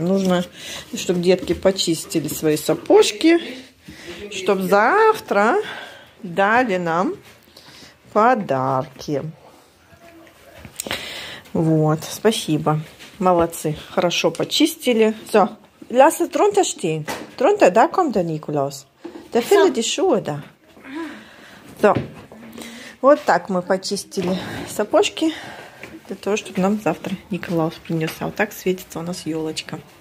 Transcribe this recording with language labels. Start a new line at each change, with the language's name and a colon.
Russian: Нужно, чтобы детки почистили свои сапожки, чтобы завтра дали нам подарки. Вот, спасибо. Молодцы, хорошо почистили. Все.
German: Lass es drunter stehen. Drunter, da kommt der Nikolaus. Der findet die Schuhe da. So.
Russian: Вот так мы почистили сапожки для того, чтобы нам завтра Николаус принес. А вот так светится у нас елочка.